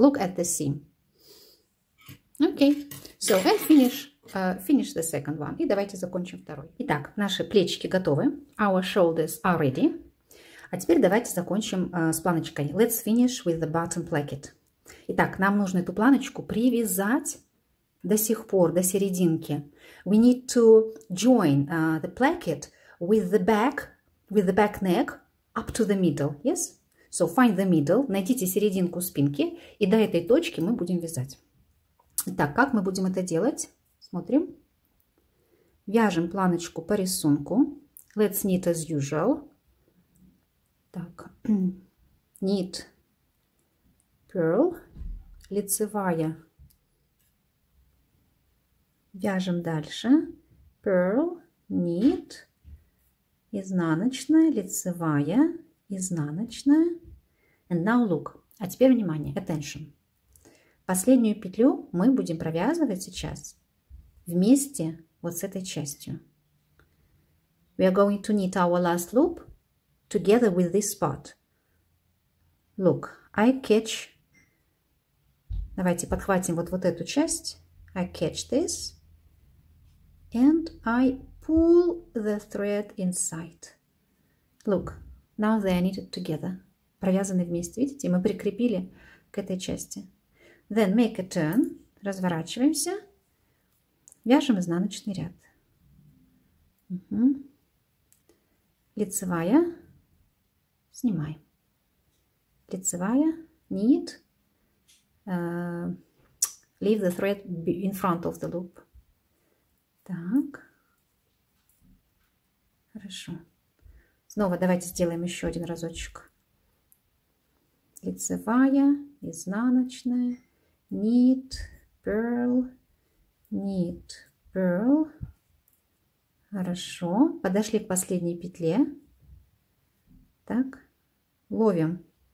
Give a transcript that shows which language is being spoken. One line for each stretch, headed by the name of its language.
English: Look at the seam. Окей. Okay. So, finish the second one.
Russian: И давайте закончим второй. Итак, наши плечики готовы.
English: Our shoulders are ready.
Russian: А теперь давайте закончим с планочкой.
English: Let's finish with the button placket.
Russian: Итак, нам нужно эту планочку привязать до сих пор, до серединки.
English: We need to join the placket with the back neck up to the middle, yes? So find the middle,
Russian: найдите серединку спинки, и до этой точки мы будем вязать. Итак, как мы будем это делать? Смотрим. Вяжем планочку по рисунку.
English: Let's knit as usual. Так, knit purl. Лицевая.
Russian: Вяжем дальше. Purl, knit, изнаночная, лицевая, изнаночная.
English: And now look.
Russian: А теперь внимание, attention. Последнюю петлю мы будем провязывать сейчас вместе вот с этой частью.
English: We are going to knit our last loop together with this part. Look, I catch.
Russian: Давайте подхватим вот эту часть.
English: I catch this. And I pull the thread inside. Look, now they are knitted together.
Russian: Провязаны вместе, видите? Мы прикрепили к этой части.
English: Then make a turn.
Russian: Разворачиваемся. Вяжем изнаночный ряд. Угу. Лицевая. Снимаем. Лицевая. Knit.
English: Leave the thread in front of the loop.
Russian: Так. Хорошо. Снова давайте сделаем еще один разочек. Лицевая, изнаночная, knit, purl, knit, purl. Хорошо, подошли к последней петле. Так, ловим.